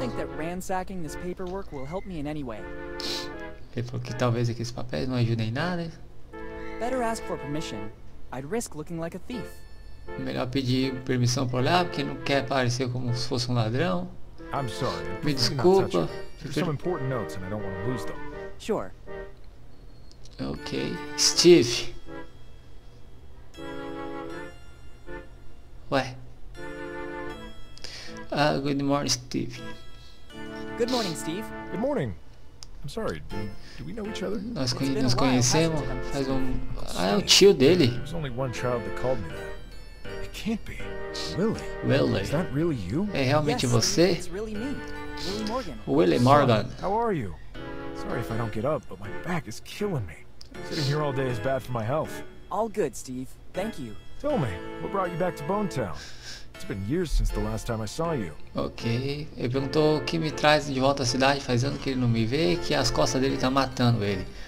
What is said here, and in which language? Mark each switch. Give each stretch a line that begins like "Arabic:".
Portuguese: Ele falou que talvez aqueles papéis não ajudem em nada.
English: Better ask for permission. I'd risk looking like a thief.
Portuguese: Melhor pedir permissão para olhar, porque não quer parecer como se fosse um ladrão.
English: I'm sorry.
Portuguese: Me desculpa.
English: Some important notes and I don't want to lose them. Sure. Ok. Steve.
Portuguese: Ué.
English: Good morning, Steve. Good morning, Steve. Good morning. I'm sorry. Do we know each other?
Portuguese: Nós conhecemos. Faz é o tio dele.
English: There's only one child that called me that. It can't be. Willy. Willy. Is that really you?
Portuguese: É realmente você?
English: It's really me. Willy Morgan. Willy Morgan. How are you? Sorry if I don't get up, but my back is killing me. Sitting here all day is bad for my health. All good, Steve. Thank you. Tell me, what brought you back to Bone Town? It's been years since the last time I saw you. Okay.
Portuguese: Ele perguntou o que me traz de volta à cidade, fazendo que ele não me vê, que as costas dele tá matando ele.